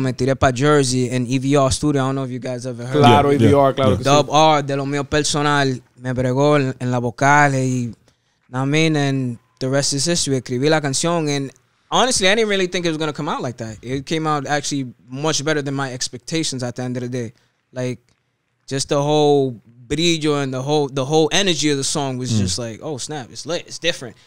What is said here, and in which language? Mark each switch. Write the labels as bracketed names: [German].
[Spanish] Me tiré para Jersey en EVR Studio. [English] I don't know if you guys ever heard of it. [Spanish] Claro, EVR, yeah. Claro. [English] Yeah. [Spanish] Dub R, de lo mío personal, me bregó en la vocal. [English] Y, I mean, and the rest is history. [Spanish] Escribí la canción. [English] And honestly, I didn't really think it was going to come out like that. It came out actually much better than my expectations at the end of the day. Like... Just the whole brillo and the whole energy of the song was just like, oh, snap, it's lit, it's different.